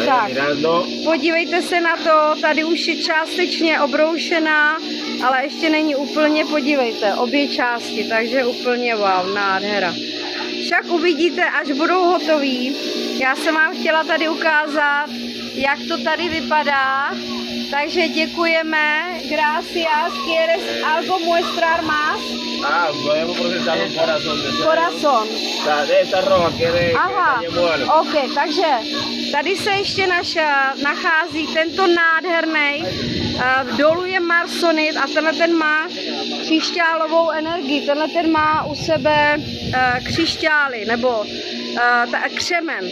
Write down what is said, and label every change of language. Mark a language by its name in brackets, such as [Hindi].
[Czech] Tak, podívejte se na to, tady už je částečně obroušená, ale ještě není úplně, podívejte, obě části, takže úplně wow, nádhera. Však uvidíte, až budou hotový. Já jsem vám chtěla tady ukázat, jak to tady vypadá. Takže děkujeme. Gracias. [Spanish] ¿Quieres algo mostrar más? Ah, voy a presentar un corazón. Corazón. Está de esa roja, quiere que haya vuelo. [Czech] Ok, takže tady se ještě nachází tento nádherný. Dolu je marsonit a tenhle ten má křišťálovou energii. Tenhle ten má u sebe křišťály nebo křemen.